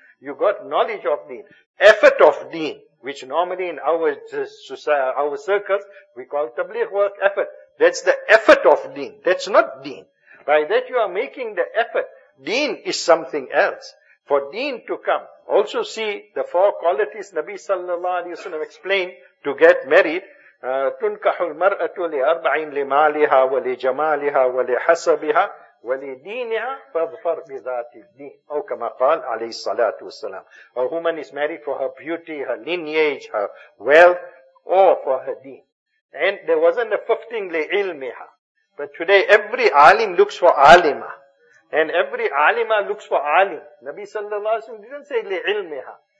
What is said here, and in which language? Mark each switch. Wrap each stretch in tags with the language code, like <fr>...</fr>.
<en>You got knowledge of deen. Effort of deen, which normally in our society, our circles, we call tabligh work effort. That's the effort of deen. That's not deen. By that you are making the effort. Deen is something else. For deen to come, also see the four qualities Nabi sallallahu alayhi wa sallam explained to get married.</en> <ar>تُنْكَحُ الْمَرْأَةُ لِأَرْبَعٍ لِمَالِهَا وَلِجَمَالِهَا وَلِحَسَبِهَا وَلِدِينِهَا فَاظْفَرْ بِذَاتِ الدِّينِ أو كما قال عليه الصلاة والسلام.</ar> <en>A woman is married for her beauty, her lineage, her wealth, or for her deen. And there wasn't a fifteen</en> <ar>لِعِلْمِهَا.</ar> <en>But today every alim looks for alima. And every alima looks for alim. Nabi sallallahu alayhi wa sallam didn't say</en> <ar>لِعِلْمِهَا.</ar>